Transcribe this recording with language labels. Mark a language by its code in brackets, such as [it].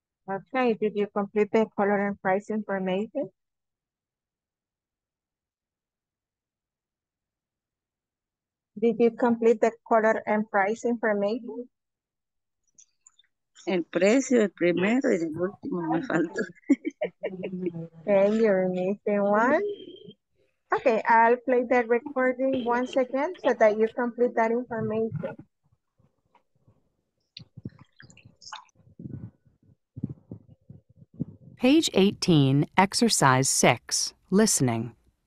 [en] Okay, did you complete the color and price information? Did you complete the color and price information? [es] El precio, el primero y el último me faltó. [en] Okay, you're missing one. Okay, I'll play that recording once again so that you complete that information. Page 18, Exercise 6, Listening.